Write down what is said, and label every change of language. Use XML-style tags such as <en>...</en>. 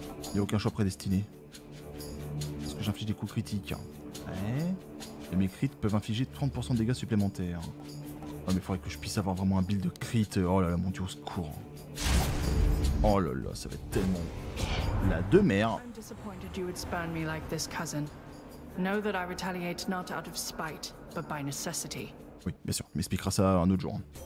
<fr>Il n'y a aucun choix prédestiné. Parce que j'inflige des coups critiques. Ouais. Et mes crits peuvent infliger 30% de dégâts supplémentaires. Ah, mais faudrait que je puisse avoir vraiment un build de crit. Oh là là, mon dieu, au secours. Oh là là, ça va être tellement la de mer.</fr> <en>I'm disappointed you would spurn me like this, cousin. Know that I retaliate not out of spite, but by necessity.</en> <fr>Oui, bien sûr, m'expliquera ça un autre jour.</fr>